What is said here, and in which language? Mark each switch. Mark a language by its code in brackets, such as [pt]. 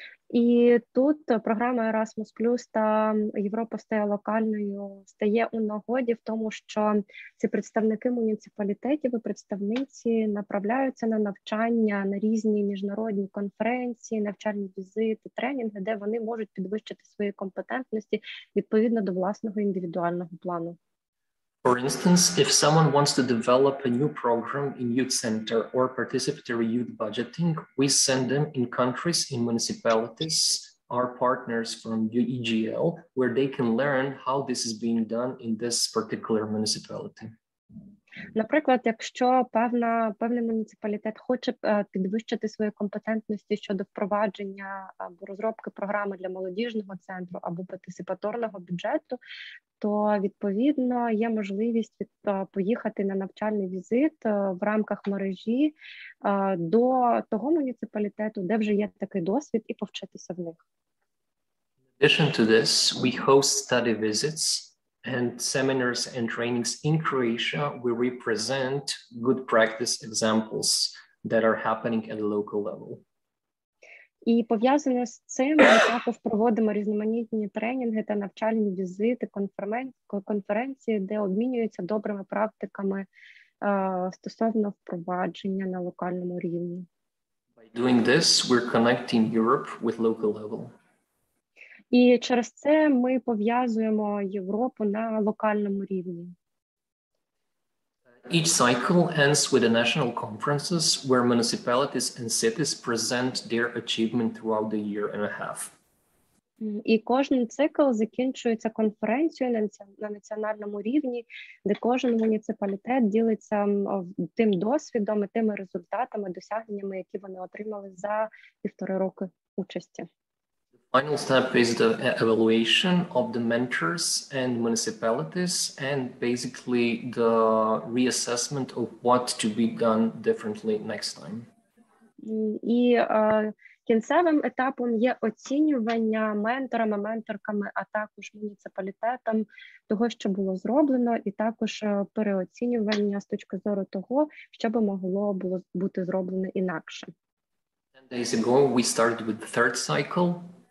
[uk] І тут програма Erasmus Plus та Європа стає локальною, стає у нагоді в тому, що ці представники муніципалітетів і представниці направляються на навчання на різні міжнародні конференції, навчальні візити, тренінги, де вони можуть підвищити свої компетентності відповідно до власного індивідуального плану. [en] For instance, if someone wants to develop a new program in youth center or participatory youth budgeting, we send them in countries, in municipalities, our partners from UEGL, where they can learn how this is being done in this particular municipality. [uk] Наприклад, якщо певний муніципалітет хоче підвищити свої компетентності щодо впровадження або розробки програми для молодіжного центру або партисипаторного бюджету, то, відповідно, є можливість поїхати на навчальний візит в рамках мережі до того муніципалітету, де вже є такий досвід, і повчитися в них. [en] In addition to this, we host study visits and seminars and trainings in Croatia, where we present good practice examples that are happening at a local level. [uk] І пов'язано з цим, ми також проводимо різноманітні тренінги та навчальні візити, конференції, де обмінюються добрими практиками стосовно впровадження на локальному рівні. [en] By doing this, we're connecting Europe with local level. [uk] І через це ми пов'язуємо Європу на локальному рівні. [en] Each cycle ends with the national conferences where municipalities and cities present their achievement throughout the year and a half. [uk] І кожен цикл закінчується конференцією на національному рівні, де кожен муніципалітет ділиться тим досвідом і тими результатами, досягненнями, які вони отримали за півтори роки участі. [en] Final step is the evaluation of the mentors and municipalities, and basically the reassessment of what to be done differently next time. [uk] І кінцевим етапом є оцінювання менторами, менторками, а також муніципалітетом того, що було зроблено, і також переоцінювання з точки зору того, що би могло було бути зроблено інакше. [en] 10 days ago we started with the third cycle.